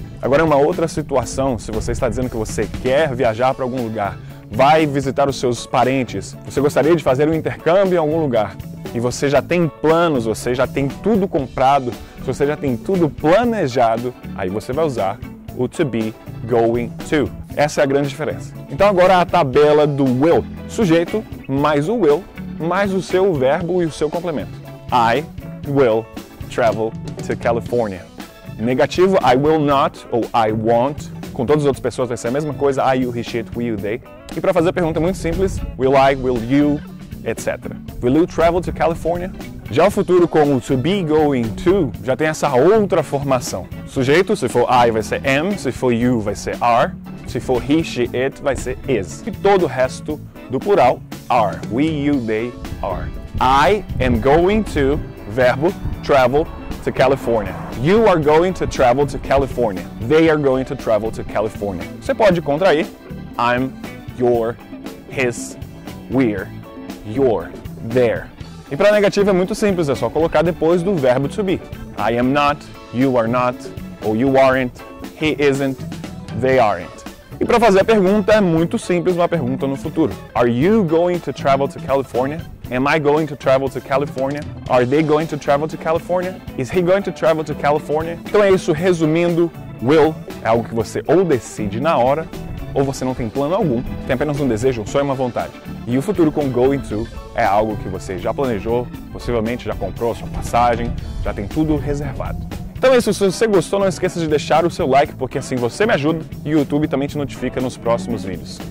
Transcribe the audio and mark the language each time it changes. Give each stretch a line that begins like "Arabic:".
Portuguese: Agora é uma outra situação, se você está dizendo que você quer viajar para algum lugar, vai visitar os seus parentes, você gostaria de fazer um intercâmbio em algum lugar, e você já tem planos, você já tem tudo comprado, você já tem tudo planejado, aí você vai usar o to be going to. Essa é a grande diferença. Então agora a tabela do will. Sujeito mais o will, mais o seu verbo e o seu complemento.
English: I will travel to California. Negativo, I will not ou I won't.
Portuguese: Com todas as outras pessoas vai ser a mesma coisa. I, you, he, she, it, will, they. E para fazer a pergunta muito simples, will I, will you, etc.
English: Will you travel to California?
Portuguese: Já o futuro com o to be going to, já tem essa outra formação. Sujeito, se for I, vai ser am, se for you, vai ser are, se for he, she, it, vai ser is. E todo o resto do plural, are, we, you, they, are.
English: I am going to, verbo, travel to California. You are going to travel to California. They are going to travel to California.
Portuguese: Você pode contrair, I'm, your, his, we're, your, their. E para negativa é muito simples, é só colocar depois do verbo to be.
English: I am not, you are not, or you aren't, he isn't, they aren't.
Portuguese: E para fazer a pergunta é muito simples, uma pergunta no futuro.
English: Are you going to travel to California? Am I going to travel to California? Are they going to travel to California? Is he going to travel to California?
Portuguese: Então é isso, resumindo, will é algo que você ou decide na hora, ou você não tem plano algum, tem apenas um desejo, um sonho e uma vontade. E o futuro com going to é algo que você já planejou, possivelmente já comprou a sua passagem, já tem tudo reservado. Então é isso, se você gostou, não esqueça de deixar o seu like, porque assim você me ajuda e o YouTube também te notifica nos próximos vídeos.